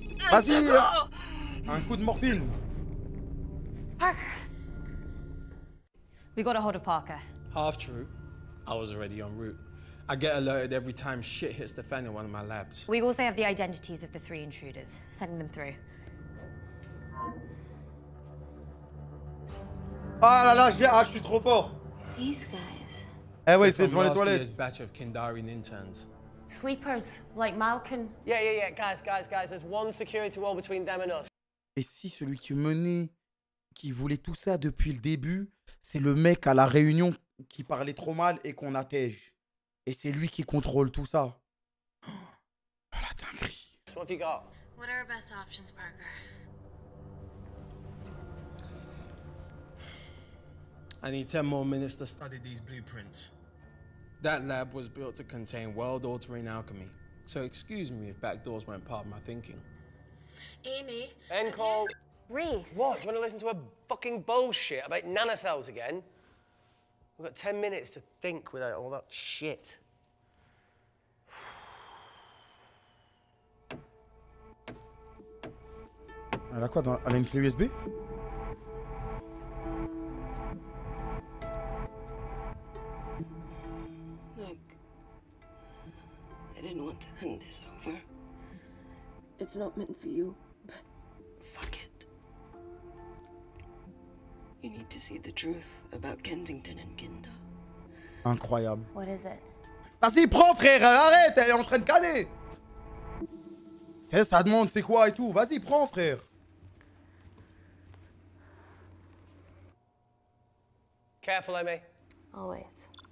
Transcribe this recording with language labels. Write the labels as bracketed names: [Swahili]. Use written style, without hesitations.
[French] Vas-y! Un coup de morphine! [English] Parker! We got a hold of Parker. Half true. I was already en route. I get alerted every time shit hits the fan in one of my labs. We also have the identities of the three intruders. Sending them through. [French] Ah là là, je suis trop fort. [English] These guys. [French] Eh oui, c'est devant les toilettes. [English] This batch of Kindarian interns. Sleepers, like Malkin. Yeah. Guys. There's one security wall between them and us. [French] Et si celui qui menait, qui voulait tout ça depuis le début, c'est le mec à la réunion qui parlait trop mal et qu'on attège. Et c'est lui qui contrôle tout ça. Oh la dinguerie. [English] So what have you got? What are our best options, Parker? I need 10 more minutes to study these blueprints. That lab was built to contain world-altering alchemy. So excuse me if back doors weren't part of my thinking. Amy. End call. Reese. What? Do you want to listen to a fucking bullshit about nanocells again? We've got 10 minutes to think without all that shit. [French] Elle a quoi dans... Elle a une clé USB? [English] I didn't want to hand this over. It's not meant for you, but fuck it. You need to see the truth about Kensington and Kinder. [French] Incroyable. [English] What is it? [French] Vas-y, prends, frère, arrête, elle est en train de caner. C'est ça, demande c'est quoi et tout. Vas-y, prends, frère. [English] Careful, Amy. Always.